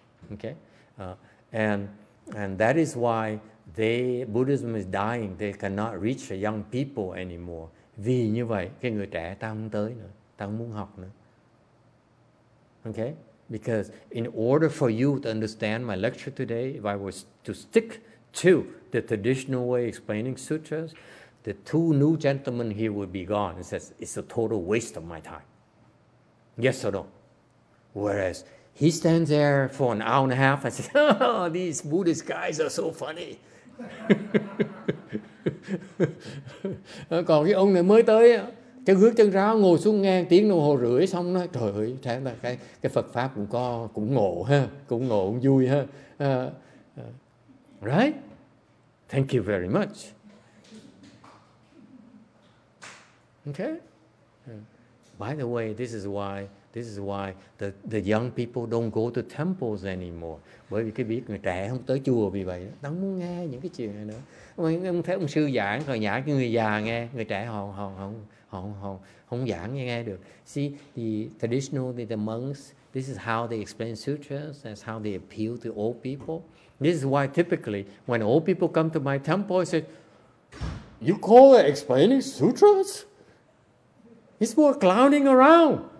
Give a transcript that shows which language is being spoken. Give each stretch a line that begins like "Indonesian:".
English: Okay, and that is why Buddhism is dying. They cannot reach the young people anymore.
Vietnamese: Vì như vậy cái người trẻ ta không tới nữa, ta không muốn học nữa.
English: Okay, because in order for you to understand my lecture today, if I was to stick to the traditional way explaining sutras, the two new gentlemen here would be gone. It says it's a total waste of my time. Yes or no? Whereas he stands there for an hour and a half and says, oh, these Buddhist guys are so funny.
Vietnamese: Còn cái ông này mới tới, chân hước chân ráo ngồi xuống ngang tiếng đồng hồ rưỡi xong nói, trời ơi, thế là cái Phật pháp cũng có, cũng ngộ, cũng vui ha.
English: Right? Thank you very much. Okay? By the way, this is why the young people don't go to temples anymore.
Vietnamese: Bởi vì cái biết người trẻ không tới chùa vì vậy đó. Đang muốn nghe những cái chuyện này nữa. Ông thấy ông sư giảng rồi nhả cái người già nghe, người trẻ họ không giảng nghe được.
English: See, the traditionally the monks, this is how they explain sutras, that's how they appeal to old people. This is why typically when old people come to my temple, I say, you call it explaining sutras? It's more clowning around.